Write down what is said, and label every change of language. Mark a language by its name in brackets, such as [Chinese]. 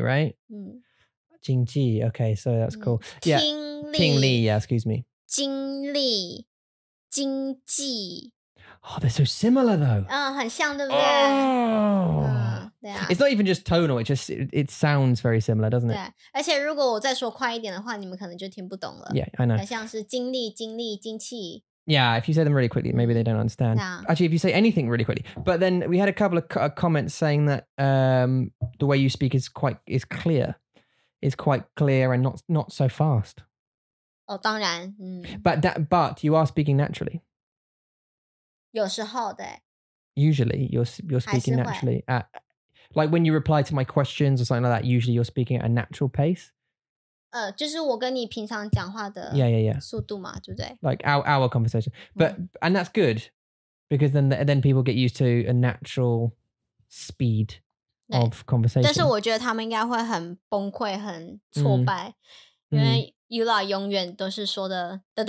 [English] right? 经济, okay, so that's cool. 听力, yeah, excuse me. [Chinese] 经历经济 [English] Oh, they're so similar though. [Chinese] 很像对不对 [English] Oh, yeah. It's not even just tonal, it sounds very similar, doesn't it? [Chinese] 对，而且如果我再说快一点的话，你们可能就听不懂了。 [English] Yeah, I know. [Chinese] 很像是经历经历经济 [English] Yeah, if you say them really quickly, maybe they don't understand. Yeah. Actually, if you say anything really quickly. But then we had a couple of comments saying that the way you speak is quite clear and not so fast. Oh, [Chinese] 当然， [English] But you are speaking naturally. [Chinese] 有时候对。 [English] Usually, you're speaking naturally. Like when you reply to my questions or something like that, usually you're speaking at a natural pace. [Chinese] 就是我跟你平常讲话的 速度嘛，对不对？ [English] Like our conversation. But, and that's good. Because then people get used to a natural speed of conversation. [Chinese] 但是我觉得他们应该会很崩溃，很挫败，因为Yula 永远都是说的